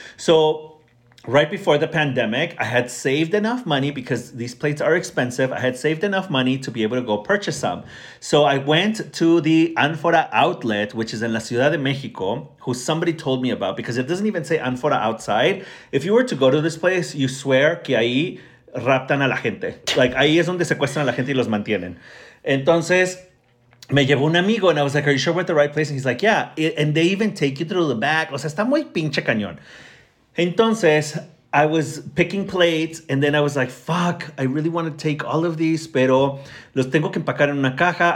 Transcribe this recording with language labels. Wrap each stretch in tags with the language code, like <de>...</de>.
<en>So right before the pandemic, I had saved enough money because these plates are expensive. I had saved enough money to be able to go purchase some. So I went to the Anfora outlet, which is in La Ciudad de Mexico, who somebody told me about because it doesn't even say Anfora outside. If you were to go to this place, you swear</en> <es>que ahí raptan a la gente. Like, ahí es donde secuestran a la gente y los mantienen. Entonces, me llevó un amigo</es> <en>and I was like, are you sure we're at the right place? And he's like, yeah. And they even take you through the back.</en> <es>O sea, está muy pinche cañón. Entonces,</es> <en>I was picking plates, and then I was like, fuck, I really want to take all of these,</en> <es>pero los tengo que empacar en una caja.</es>